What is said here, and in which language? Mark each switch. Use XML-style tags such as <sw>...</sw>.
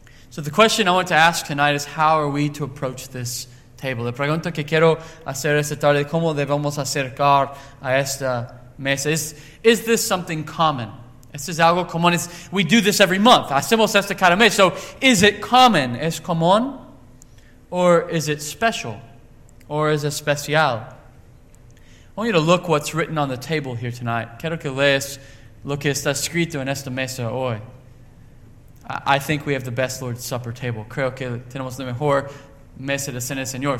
<en>So the question I want to ask tonight is how are we to approach this table?</en> <es>La pregunta que quiero hacer esta tarde, ¿cómo debemos acercar a esta mesa?</es> <en>Is this something common?</en> <es>Esto es algo común.</es> <en>We do this every month.</en> <es>Hacemos esto cada mes.</es> <en>So, is it common?</en> <es>¿Es común?</es> <en>Or is it special? Or is it especial? I want you to look what's written on the table here tonight.</en> <es>Quiero que leas lo que está escrito en esta mesa hoy.</es> <en>I think we have the best Lord's Supper table.</en> <es>Creo que tenemos la mejor mesa de cena del Señor.</es>